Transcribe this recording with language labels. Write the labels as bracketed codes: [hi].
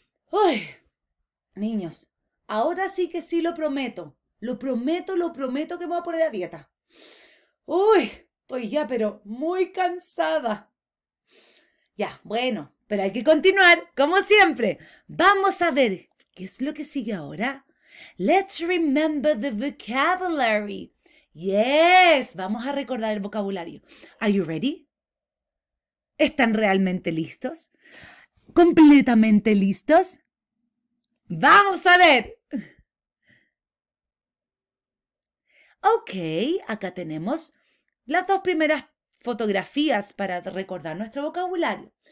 [es] Uy, niños, ahora sí que sí lo prometo. Lo prometo, lo prometo que me voy a poner a dieta. Uy, estoy ya, pero muy cansada. Ya, bueno, pero hay que continuar, como siempre. Vamos a ver qué es lo que sigue ahora. [en] Let's remember the vocabulary. [es] Yes, vamos a recordar el vocabulario. [en] Are you ready? [es] ¿Están realmente listos? ¿Completamente listos? ¡Vamos a ver! Okay, acá tenemos las dos primeras fotografías para recordar nuestro vocabulario.